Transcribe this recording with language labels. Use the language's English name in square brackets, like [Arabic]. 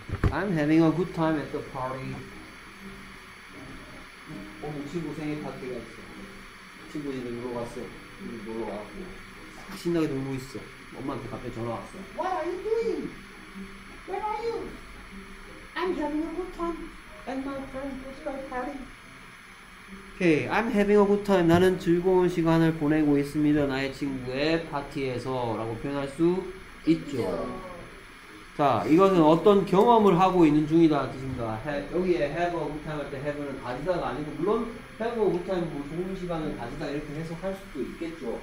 [English] I'm having a good time at the party. [Korean] 오늘 친구 생일 파티가 있어. 친구 집에 놀러 갔어. 놀러 와갖고 막 신나게 놀고 있어. 엄마한테 갑자기 전화 왔어. [English] What are you doing? Where are you? I'm having a good time at my friend's birthday party. Okay, I'm having a good time. [Korean] 나는 즐거운 시간을 보내고 있습니다. 나의 친구의 파티에서 라고 표현할 수 있죠. 자, 이것은 어떤 경험을 하고 있는 중이다 뜻입니다. 여기에 [English] have a good time [Korean] 할 때 have는 가지다가 아니고, 물론 have a good time은 좋은 시간을 가지다 이렇게 해석할 수도 있겠죠.